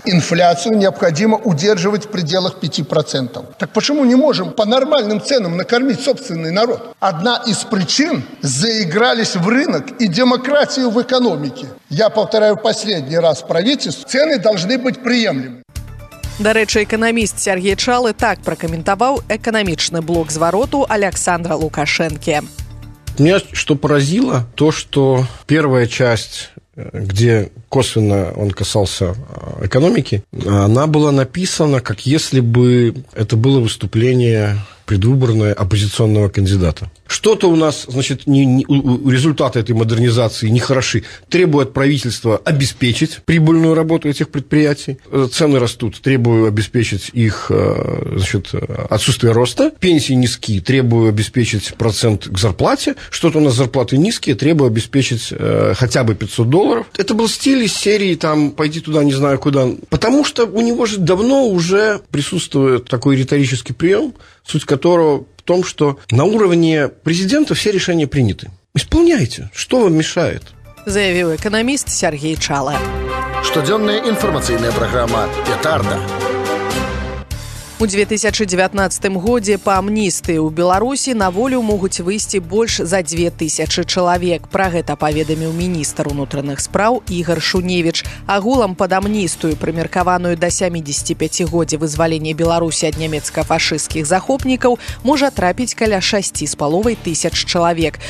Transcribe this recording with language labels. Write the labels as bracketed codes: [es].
[ru] Инфляцию необходимо удерживать в пределах 5%. Так почему не можем по нормальным ценам накормить собственный народ? Одна из причин – заигрались в рынок и демократию в экономике. Я повторяю последний раз правительству, цены должны быть приемлемы. [be] Дарэчы, эканаміст Сергей Чалы так пракаментаваў эканамічны блок звароту Александра Лукашэнкі. [ru] Меня что поразило, то, что первая часть, где косвенно он касался экономики, она была написана, как если бы это было выступление предвыборное оппозиционного кандидата. Что-то у нас, значит, результаты этой модернизации нехороши. Требуют правительства обеспечить прибыльную работу этих предприятий. Цены растут, требую обеспечить их, значит, отсутствие роста. Пенсии низкие, требую обеспечить процент к зарплате. Что-то у нас зарплаты низкие, требую обеспечить хотя бы $500. Это был стиль из серии, там, пойди туда, не знаю куда. Потому что у него же давно уже присутствует такой риторический прием, суть которого в том, что на уровне президента все решения приняты. Исполняйте, что вам мешает? Заявил экономист Сергей Чала. Щоденная информационная программа «Петарда». [be] У 2019 годзе па амністыі ў Беларусі на волю могуць выйсці больш за 2000 чалавек. Пра гэта паведаміў міністр унутраных спраў Ігар Шуневіч. Агулам пад амністыю, прымеркаваную да 75 годзе вызвалення Беларусі ад нямецка-фашысцкіх захопнікаў, можа трапіць каля 6,5 тысяч чалавек.